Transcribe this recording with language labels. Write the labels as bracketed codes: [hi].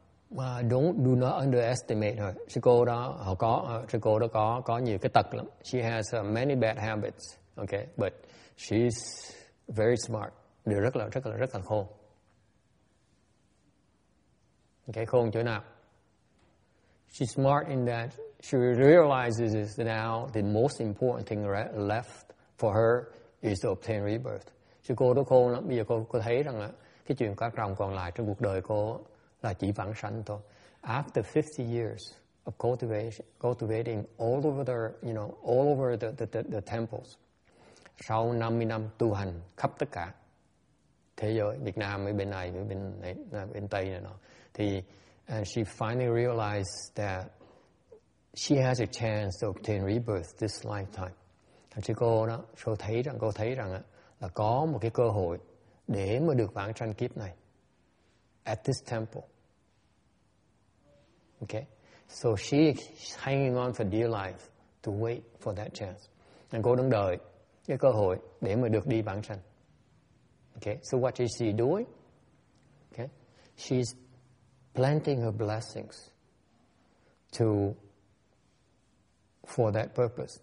[en] She do not underestimate her. [vi] Sư cô đó có nhiều cái tật lắm. [en] She has many bad habits, okay, but she's very smart. [vi] Điều rất là khôn. [en] Okay, [vi] khôn chỗ nào? [en] She's smart in that she realizes now the most important thing left for her is to obtain rebirth. [vi] Sư cô đó khôn lắm. Bây giờ cô thấy rằng á, cái chuyện cá rồng còn lại trong cuộc đời cô là chỉ vãng sanh thôi. [en] After 50 years of cultivating all over the temples, [vi] sau 50 năm tu hành khắp tất cả thế giới, Việt Nam với bên này với bên này, bên Tây này nọ, thì [en] she finally realized that she has a chance to obtain rebirth this lifetime. [vi] Thật sự cô thấy rằng là có một cái cơ hội để mà được vãng sanh kiếp này [en] at this temple. Okay, so she's hanging on for dear life to wait for that chance. [vi] And cô đang đợi cái cơ hội để mà được đi vãng sanh. [en] Okay, so what is she doing? Okay, she's planting her blessings for that purpose.